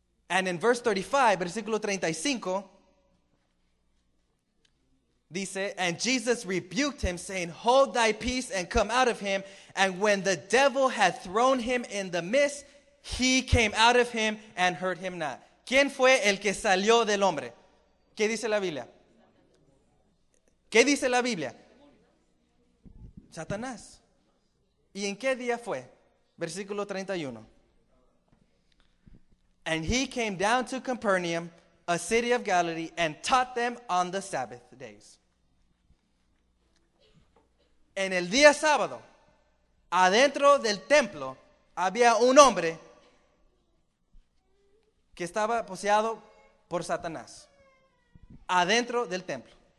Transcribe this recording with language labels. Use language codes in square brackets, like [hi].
[en] And in verse 35, [es] versículo 35, dice, [en] and Jesus rebuked him, saying, hold thy peace and come out of him. And when the devil had thrown him in the midst, he came out of him and hurt him not. [es] ¿Quién fue el que salió del hombre? ¿Qué dice la Biblia? ¿Qué dice la Biblia? Satanás. ¿Y en qué día fue? Versículo 31. [en] And he came down to Capernaum, a city of Galilee, and taught them on the Sabbath days. [es] En el día sábado, adentro del templo, había un hombre que estaba poseado por Satanás. Adentro del templo.